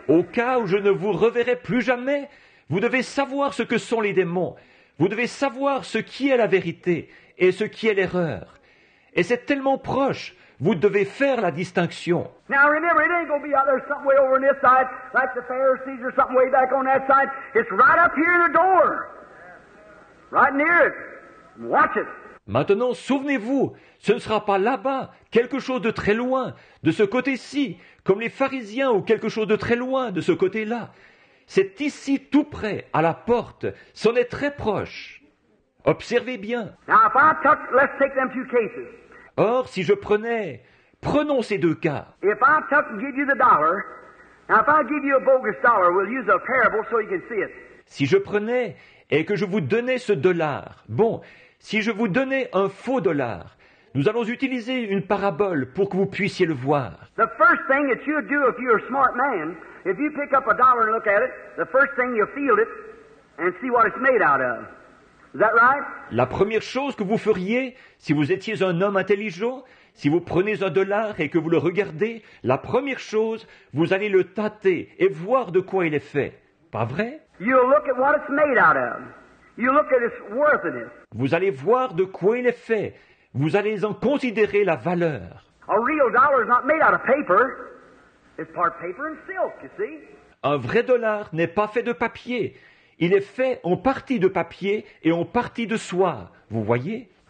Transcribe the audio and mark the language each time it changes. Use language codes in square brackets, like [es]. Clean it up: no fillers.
[fr] Au cas où je ne vous reverrai plus jamais, vous devez savoir ce que sont les démons. Vous devez savoir ce qui est la vérité et ce qui est l'erreur. Et c'est tellement proche, vous devez faire la distinction. [en] Now remember, it ain't gonna be out there something way over on this side, like the Pharisees or something way back on that side. It's right up here in the door. Right near it. Watch it. [fr] Maintenant, souvenez-vous, ce ne sera pas là-bas, quelque chose de très loin, de ce côté-ci, comme les pharisiens ou quelque chose de très loin, de ce côté-là. C'est ici, tout près, à la porte, c'en est très proche. Observez bien. [en] Now, if I took, let's take them two cases. [fr] Or, si je prenais, prenons ces deux cas. [en] If I took and give you the dollar, now if I give you a bogus dollar, we'll use a parable so you can see it. [fr] Si je prenais et que je vous donnais ce dollar, bon, si je vous donnais un faux dollar, nous allons utiliser une parabole pour que vous puissiez le voir. [en] The first thing that you do if you're a smart man, if you pick up a dollar and look at it, the first thing you feel it and see what it's made out of. Is that right? [fr] La première chose que vous feriez, si vous étiez un homme intelligent, si vous prenez un dollar et que vous le regardez, la première chose, vous allez le tâter et voir de quoi il est fait. Pas vrai? [en] You'll look at what it's made out of. You'll look at its worthiness. [fr] Vous allez voir de quoi il est fait. Vous allez en considérer la valeur. [en] A real dollar is not made out of paper. It's part paper and silk, you see? [fr] Un vrai dollar n'est pas fait de papier. Il est fait en partie de papier et en partie de soie, vous voyez?